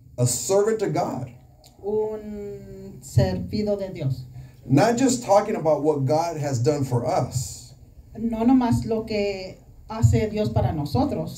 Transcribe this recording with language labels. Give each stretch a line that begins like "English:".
English: A servant of God.
Spanish: Un servido de Dios.
English: Not just talking about what God has done for us.
Spanish: No nomás lo que hace Dios para nosotros.